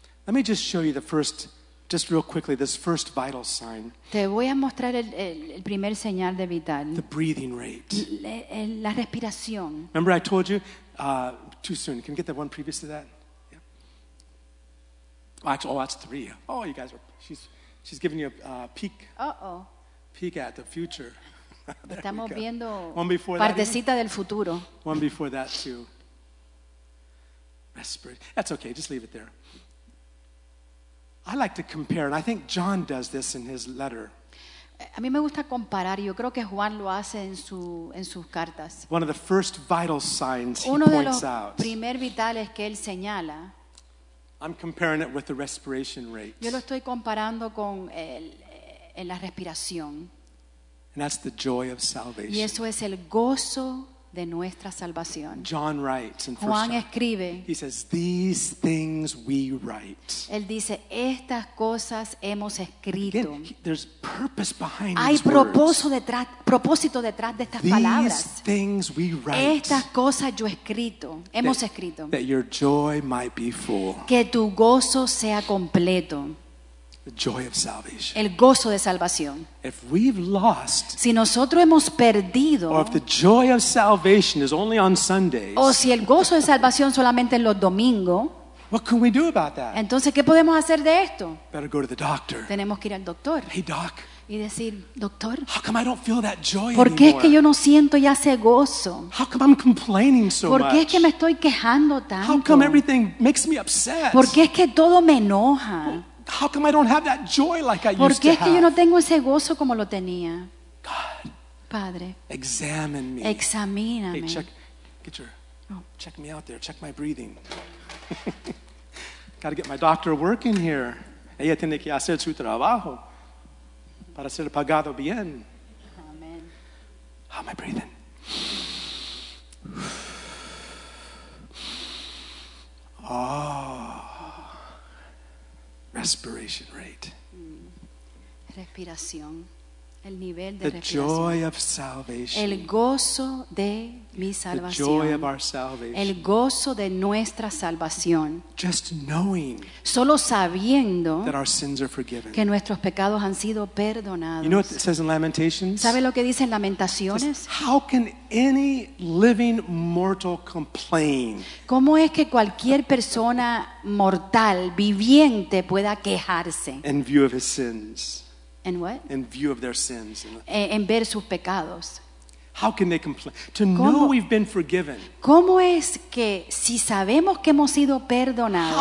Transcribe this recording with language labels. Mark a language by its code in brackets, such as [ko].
[en] Let me just show you the first, just real quickly, this first vital sign. [es] Te voy a mostrar el primer señal de vital. [en] The breathing rate. [es] La respiración. [en] Remember I told you, too soon. Can you get the one previous to that? Yeah. Actually, that's three. Oh, you guys are, she's giving you a peek. Uh-oh. Peek at the future. [es] Estamos viendo partecita del futuro. [en] One before that too. Respiratory. That's okay, just leave it there. I like to compare, and I think John does this in his letter. [es] A mí me gusta comparar, yo creo que Juan lo hace en sus cartas. [en] One of the first vital signs he points out. [es] Uno de los primer vitales que él señala. [en] I'm comparing it with the respiration rate. [es] Yo lo estoy comparando con en la respiración. [en] And that's the joy of salvation. [es] Y eso es el gozo de nuestra salvación. [en] John writes in [es] Juan [en] first [es] escribe. [en] He says, "These things we write." [es] Él dice, "Estas cosas hemos escrito." [en] Again, there's purpose behind these words. [es] Hay propósito detrás de estas [en] these [es] palabras. [en] "These things we write." [es] Estas cosas yo escrito, hemos escrito. [en] That your joy might be full. [es] Que tu gozo sea completo. [en] The joy of salvation. [es] El gozo de salvación. [en] If we've lost, [es] si nosotros hemos perdido, [en] or if the joy of salvation is only on Sundays, [es] o si el gozo de salvación solamente en los domingos, [en] what can we do about that? [es] Entonces, ¿qué podemos hacer de esto? [en] Better go to the doctor. [es] Tenemos que ir al doctor. [en] Hey, doc. [es] Y decir, doctor, [en] how come I don't feel that joy [es] ¿por qué anymore? Es que yo no siento ya ese gozo? [en] How come I'm complaining so [es] ¿por qué much? Es que me estoy quejando tanto? [en] How come everything makes me upset? [es] ¿Por qué es que todo me enoja? [en] How come I don't have that joy like I used to have? [es] ¿Por qué es que yo no tengo ese gozo como lo tenía? [en] God, [es] Padre, [en] examine me. [es] Examíname. [en] Hey, check, get your, check me out there. Check my breathing. Got to get my doctor working here. [es] Ella tiene que hacer su trabajo para ser pagado bien. [en] Amen. How am I breathing? Oh. Respiration rate. [es] Respiración. El nivel de [en] the [es] respiración. [en] Joy of salvation. [es] El gozo de mi salvación. [en] The joy of our salvation. [es] El gozo de nuestra salvación. [en] Just knowing. [es] Solo sabiendo [en] that our sins are forgiven. [es] Que nuestros pecados han sido perdonados. [en] You know what it says in Lamentations? [es] ¿Sabe lo que dice en Lamentaciones? [en] It says, how can any living mortal complain? [es] ¿Cómo es que cualquier persona mortal, viviente, pueda quejarse? [en] In view of his sins. And what? In view of their sins. [es] En ver sus pecados. [en] How can they complain? To know we've been forgiven. [es] ¿Cómo es que si sabemos que hemos sido perdonados?